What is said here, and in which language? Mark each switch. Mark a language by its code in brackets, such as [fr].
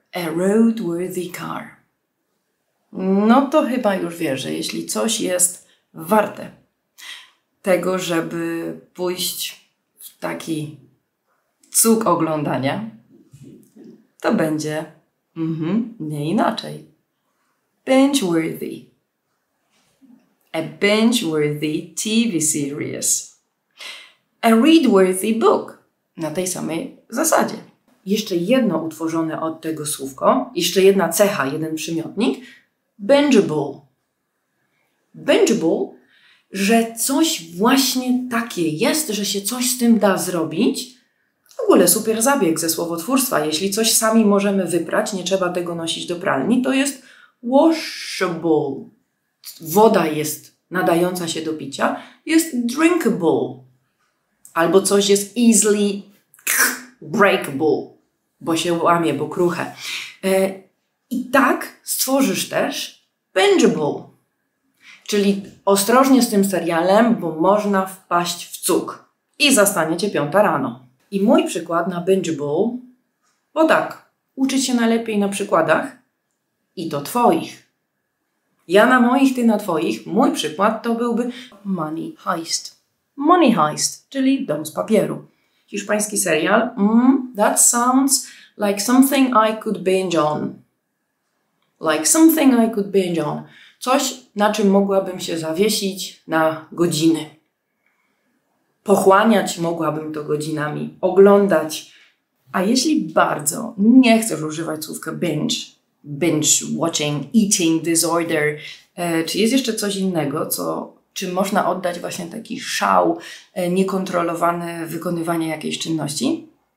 [en] A roadworthy car. [pl] No to chyba już wiesz, że jeśli coś jest warte tego, żeby pójść w taki cuk oglądania, to będzie nie inaczej. [en] Binge-worthy. A binge-worthy TV series. A read-worthy book. [pl] Na tej samej zasadzie. Jeszcze jedno utworzone od tego słówko, jeszcze jedna cecha, jeden przymiotnik. Bingeable. Bingeable, że coś właśnie takie jest, że się coś z tym da zrobić. W ogóle super zabieg ze słowotwórstwa. Jeśli coś sami możemy wyprać, nie trzeba tego nosić do pralni, to jest washable. Woda jest nadająca się do picia. Jest drinkable. Albo coś jest [en] easily breakable, [pl] bo się łamie, bo kruche. I tak stworzysz też bingeable. Czyli ostrożnie z tym serialem, bo można wpaść w cuk. I zastanie cię piąta rano. I mój przykład na bingeable, bo tak, uczyć się najlepiej na przykładach i to twoich. Ja na moich, ty na twoich. Mój przykład to byłby money heist. Money Heist, czyli Dom z papieru. Hiszpański serial. [en] That sounds like something I could binge on. Like something I could binge on. [pl] Coś, na czym mogłabym się zawiesić na godziny. Pochłaniać mogłabym to godzinami. Oglądać. A jeśli bardzo nie chcesz używać słówka binge, binge watching, eating disorder, czy jest jeszcze coś innego, czym można oddać właśnie taki szał, niekontrolowane wykonywanie jakiejś czynności?